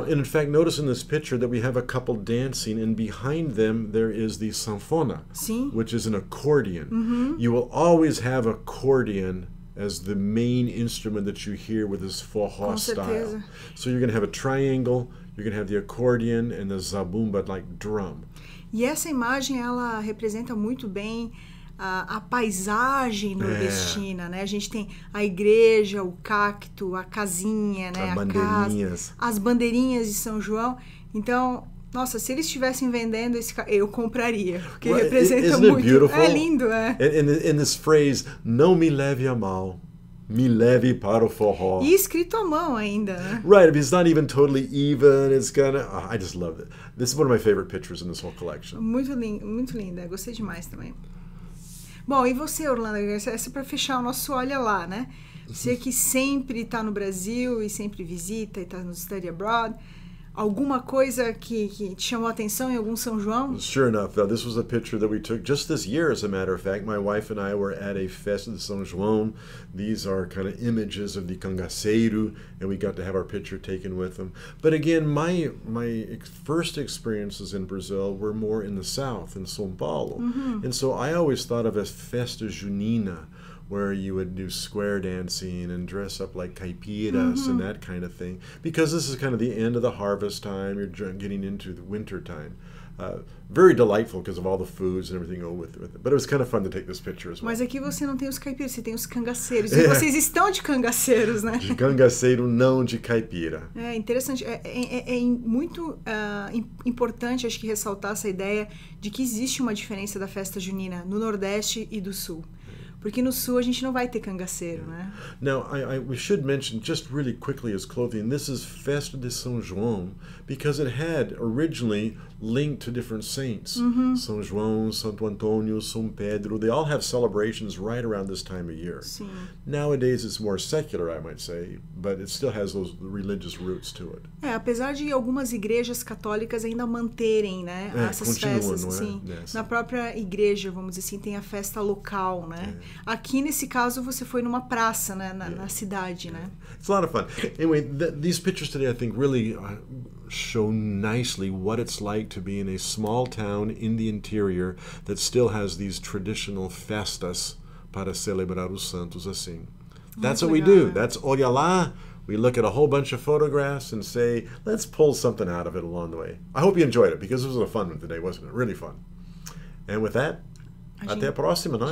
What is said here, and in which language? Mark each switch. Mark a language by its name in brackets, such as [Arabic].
[English] Well, and in fact, notice in this picture that we have a couple dancing, and behind them there is the sanfona. [Portuguese] Sim. [English] Which is an accordion. Uh-huh. You will always have accordion as the main instrument that you hear with this forró style. [Portuguese] Com certeza. [English] So you're going to have a triangle, you're going to have the accordion and the zabumba, like drum. [Portuguese] E essa imagem, ela representa muito bem a paisagem nordestina, é, né? A gente tem a igreja, o cacto, a casinha, né? As bandeirinhas. A casa, as bandeirinhas de São João. Então, nossa, se eles estivessem vendendo esse cacto, eu compraria, porque [English] well, [Portuguese] representa [English] isn't [Portuguese] muito. [English] It beautiful? [Portuguese] É lindo, né? [English] In this phrase, [Portuguese] não me leve a mal, me leve para o forró. E escrito à mão ainda, né? [English] Right, it's not even totally even, it's gonna... Oh, I just love it. This is one of my favorite pictures in this whole collection. [Portuguese] Muito linda, gostei demais também. Bom, e você, Orlando, essa é para fechar o nosso olha lá, né? Você que sempre está no Brasil e sempre visita e está no study abroad. Alguma coisa que te chamou a atenção em algum São João? [English] Sure enough, though, this was a picture that we took just this year, as a matter of fact. My wife and I were at a festa de São João. These are kind of images of the cangaceiro, and we got to have our picture taken with them. But again, my first experiences in Brazil were more in the south, in São Paulo. Mm-hmm. And so I always thought of a festa junina, where you would do square dancing and dress up like caipiras, mm-hmm, and that kind of thing. Because this is kind of the end of the harvest time, you're getting into the winter time. Very delightful because of all the foods and everything with it. But it was kind of fun to take this picture as well. [Portuguese] Mas aqui você não tem os caipiras, você tem os cangaceiros. E vocês estão de cangaceiros, né? De cangaceiro, não de caipira. É interessante. É muito importante, acho que, ressaltar essa ideia de que existe uma diferença da festa junina no Nordeste e do Sul. Porque no Sul a gente não vai ter cangaceiro, né? [English] Now, we should mention just really quickly as clothing, this is Festa de São João, because it had originally linked to different saints. Mm-hmm. São João, Santo Antônio, São Pedro, they all have celebrations right around this time of year. [Portuguese] Sim. [English] Nowadays it's more secular, I might say, but it still has those religious roots to it. [Portuguese] É, apesar de algumas igrejas católicas ainda manterem, né, essas festas. Não é? Sim. [English] Yes. [Portuguese] Na própria igreja, vamos dizer assim, tem a festa local, né? [English] Yeah. [Portuguese] Aqui, nesse caso, você foi numa praça, né? Na cidade, né? [English] It's a lot of fun. Anyway, these pictures today, I think, really show nicely what it's like to be in a small town in the interior that still has these traditional [Portuguese] festas para celebrar os santos assim. [English] That's what we do. That's olha lá. We look at a whole bunch of photographs and say, let's pull something out of it along the way. I hope you enjoyed it, because it was a fun one today, wasn't it? Really fun. And with that, [Portuguese] até a próxima, não é?